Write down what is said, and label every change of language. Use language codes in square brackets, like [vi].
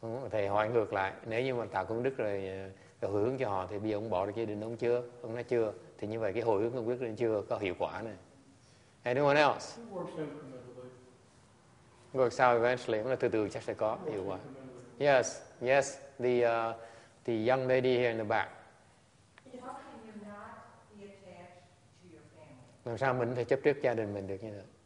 [vi] Thầy hỏi ngược lại, nếu như mà tạo công đức rồi hồi hướng cho họ, thì bây giờ ông bỏ được gia đình ông chưa? Ông nói chưa. Thì như vậy cái hồi hướng công đức lên chưa có hiệu quả này. [en] Anyone else? It works incrementally. Works out eventually, [vi] mà từ từ chắc sẽ có hiệu quả. [en] Yes, yes. The young lady here in the back. How can you not be attached to your family? [vi] Làm sao mình phải chấp trước gia đình mình được như vậy?